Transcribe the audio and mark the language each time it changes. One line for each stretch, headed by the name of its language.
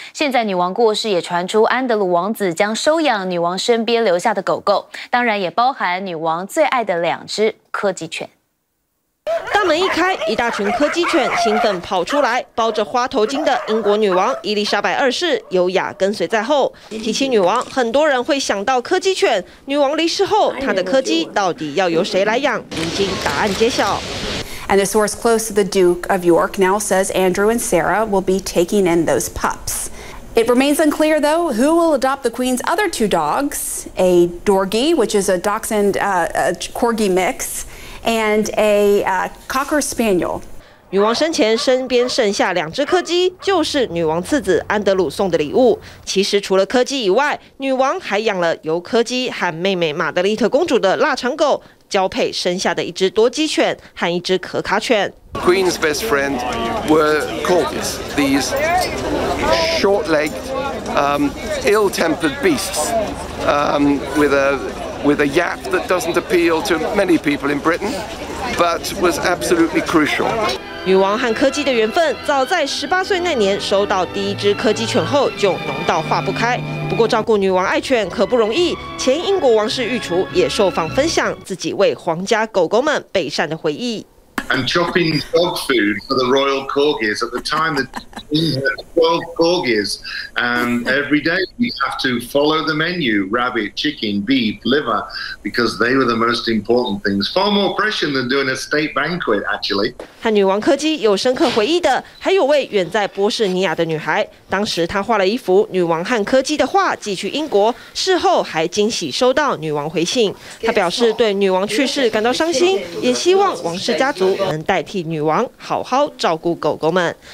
Chinese: 现在女王过世，也传出安德鲁王子将收养女王身边留下的狗狗，当然也包含女王最爱的2只柯基犬。大门一开，一大群柯基犬兴奋跑出来，包着花头巾的英国女王伊丽莎白二世优雅跟随在后。提起女王，很多人会想到柯基犬。女王离世后，她的柯基到底要由谁来养？如今答案揭晓。
English: And a source close to the Duke of York now says Andrew and Sarah will be taking in those pups. It remains unclear, though, who will adopt the Queen's other 2 dogs, a Dorgie, which is a dachshund, a corgi mix, and a cocker spaniel.
Chinese: 女王生前身边剩下两只柯基，就是女王次子安德鲁送的礼物。其实除了柯基以外，女王还养了由柯基和妹妹玛德丽特公主的腊肠狗交配生下的一只多基犬和一只可卡犬。
English: Queen's best friend were corgis, these short-legged, ill-tempered beasts, with a yap that doesn't appeal to many people in Britain, but was absolutely crucial.
Chinese: 女王和柯基的缘分，早在18岁那年收到第一只柯基犬后，就浓到化不开。不过照顾女王爱犬可不容易，前英国王室御厨也受访分享自己为皇家狗狗们备膳的回忆。
English: And chopping dog food for the royal corgis at the time that we had 12 corgis, and every day we have to follow the menu: rabbit, chicken, beef, liver, because they were the most important things. Far more pressure than doing a state banquet, actually.
Chinese: 和女王柯基有深刻回忆的，还有位远在波士尼亚的女孩。当时她画了一幅女王和柯基的画寄去英国，事后还惊喜收到女王回信。她表示对女王去世感到伤心，也希望王室家族能代替女王好好照顾狗狗们。